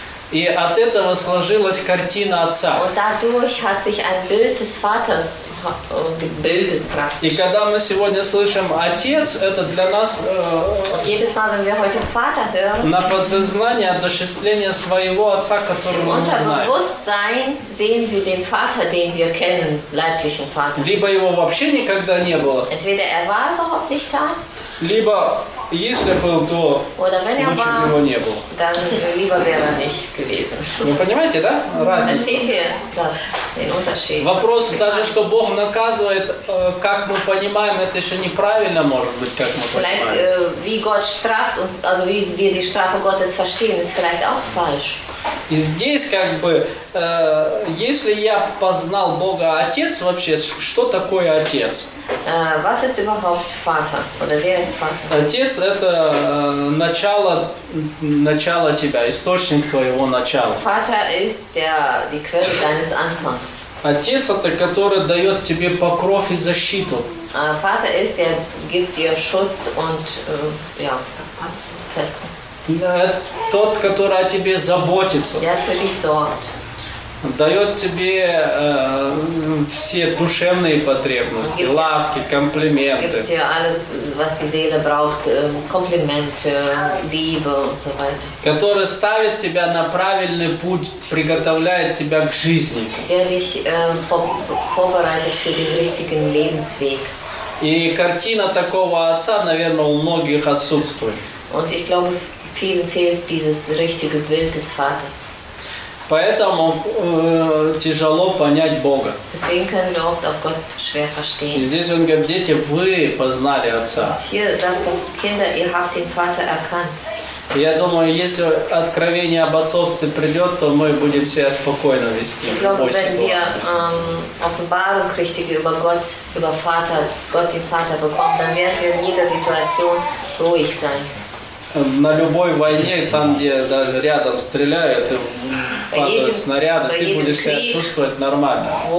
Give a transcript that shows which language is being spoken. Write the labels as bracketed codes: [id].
[ru] И от этого сложилась картина отца. [de] Und dadurch hat sich ein Bild des Vaters gebildet, [ru] и когда мы сегодня слышим отец, это для нас [de] jedes Mal, wenn wir heute Vater hören, [ru] на подсознание осуществление своего отца, которого мы знаем. [de] Im Unterbewusstsein sehen wir den Vater, den wir kennen, leiblichen Vater. [ru] Либо его вообще никогда не было. [de] Entweder er war überhaupt nicht da. [ru] Либо если был, то [de] oder wenn er war, [ru] его не было. [de] Dann lieber wäre er nicht gewesen. [ru] Вы понимаете, да? Разница. [de] Versteht ihr das, den Unterschied? [ru] Вопрос даже, что Бог наказывает, как мы понимаем, это еще неправильно может быть, как мы понимаем. [de] Vielleicht, wie Gott straft, also wie wir die Strafe Gottes verstehen, ist vielleicht auch falsch. [ru] И здесь как бы, если я познал Бога Отец вообще, что такое Отец? [de] Was ist überhaupt Vater? Oder wer ist Vater? [ru] Отец – это начало тебя, источник твоего начала. [de] Vater ist die Quelle deines Anfangs. [ru] Отец – это который дает тебе покров и защиту. [de] Vater ist, der gibt dir Schutz und, ja, Feste. [ru] Тот, который о тебе заботится. [de] Der für dich sorgt. [ru] Дает тебе все душевные потребности, [de] gibt [ru] ласки, комплименты. [de] Gibt dir alles, was die Seele braucht, Komplimente, Liebe und so weiter. [ru] Который ставит тебя на правильный путь, приготовляет тебя к жизни. [de] Der dich vorbereitet für den richtigen Lebensweg. [ru] И картина такого отца, наверное, у многих отсутствует. [de] Und ich glaube, vielen fehlt dieses richtige Bild des Vaters. [ru] Поэтому тяжело понять Бога. [de] Deswegen können wir oft auch Gott schwer verstehen. [ru] И здесь он говорит, дети, вы познали Отца. [de] Und hier sagt er, Kinder, ihr habt den Vater erkannt. [ru] Я думаю, если откровение об отцовстве придет, то мы будем себя спокойно вести. [de] Ich glaube, wenn wir Offenbarung richtige über Gott, über Vater, Gott den Vater bekommen, dann werden wir in jeder Situation ruhig sein. [ru] На любой войне, там, где даже рядом стреляют, падают снаряды, ты будешь себя чувствовать нормально.